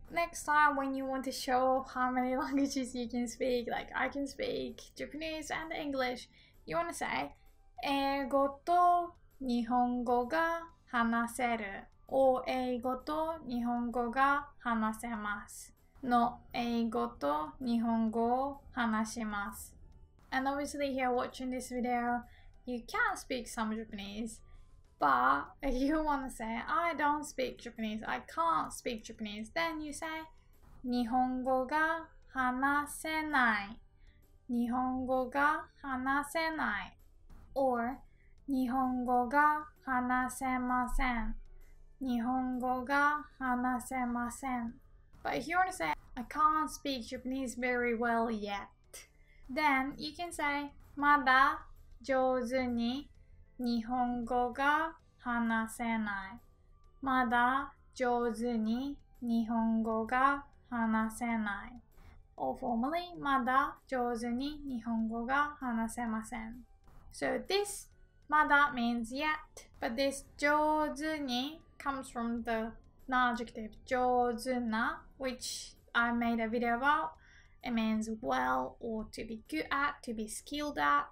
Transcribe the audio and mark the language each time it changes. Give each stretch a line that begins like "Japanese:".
English: Next time when you want to show how many languages you can speak, like I can speak Japanese and English, you want to say
Japanese: 英語と日本語が話せる
English: or
Japanese: 英語と日本語が話せます
English: No,
Japanese: 英語と日本語を話します
English: And obviously here watching this video, you can speak some Japanese. But if you want to say, I don't speak Japanese, I can't speak Japanese, then you say,
Japanese: 日本語が話せない。日本語が話せない。 Or, 日本語が話せません。日本語が話せません。
English: But if you want to say, I can't speak Japanese very well yet, then you can say,
Japanese: まだ上手に日本語が話せない。まだ上手に日本語が話せない。
English: Or formally,
Japanese: まだ上手に日本語が話せません。
English: So this, まだ means yet, but this 上手に comes from the adjective 上手な, which I made a video about. It means well or to be good at, to be skilled at.